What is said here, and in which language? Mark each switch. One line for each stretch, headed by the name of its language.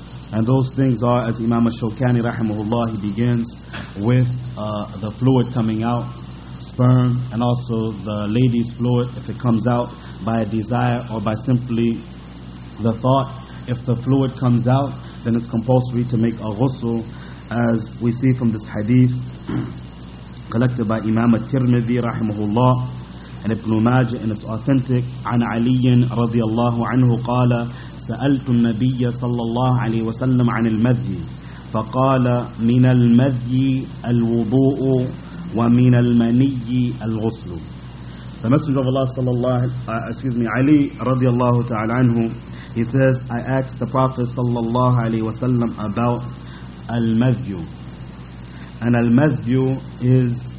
English: And those things are, as Imam al-Shawkani rahimahullah, he begins with the fluid coming out, sperm, and also the lady's fluid, if it comes out by a desire or by simply the thought. If the fluid comes out, then it's compulsory to make a ghusl, as we see from this hadith collected by Imam al-Tirmidhi rahimahullah and Ibn Majah, and it's authentic.
Arabic: An Aliyin radiyallahu anhu qala, سألت النبي صلى الله عليه وسلم عن المذي فقال من المذي الوضوء ومن المني الغسل.
English: The Messenger of Allah
Arabic: صلى الله
English: Ali رضي الله تعالى عنه, he says, I asked the Prophet صلى الله عليه وسلم about المذي, and المذي is